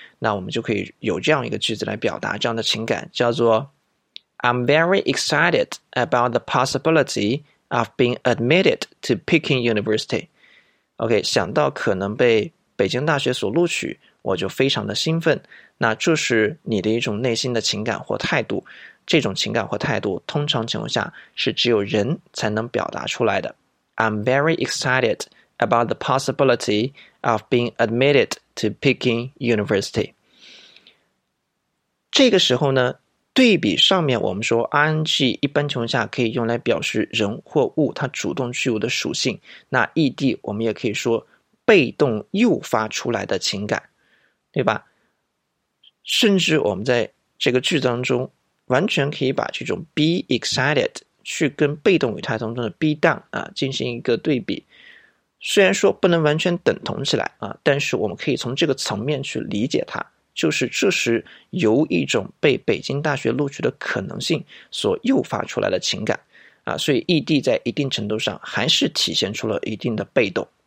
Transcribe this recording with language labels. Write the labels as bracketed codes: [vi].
[zh] 那我们就可以有这样一个句子来表达这样的情感，叫做 [en] I'm very excited about the possibility of being admitted to Peking University. [zh] OK， 想到可能被北京大学所录取，我就非常的兴奋。那这是你的一种内心的情感或态度，这种情感或态度通常情况下是只有人才能表达出来的。 [en] I'm very excited about the possibility of being admitted to Peking University。 [zh] 这个时候呢，对比上面我们说 ing 一般情况下可以用来表示人或物它主动具有的属性，那 ed 我们也可以说被动诱发出来的情感，对吧？甚至我们在这个句当中完全可以把这种 be excited 去跟被动语态当中的 be down 啊进行一个对比，虽然说不能完全等同起来啊，但是我们可以从这个层面去理解它，就是这是由一种被北京大学录取的可能性所诱发出来的情感啊，所以 ED 在一定程度上还是体现出了一定的被动。